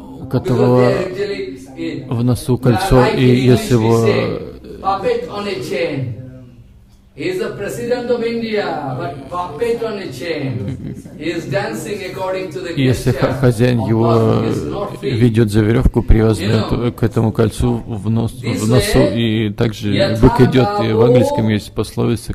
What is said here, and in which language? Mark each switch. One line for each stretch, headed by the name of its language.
Russian: которого в носу кольцо, и если его...
English: He's the president of India, but puppet on a chain. He's dancing according to the gesture.
Russian: Если хозяин его ведет за веревку, привязанную к этому кольцу в носу, и также бык идет, и в английском есть пословица,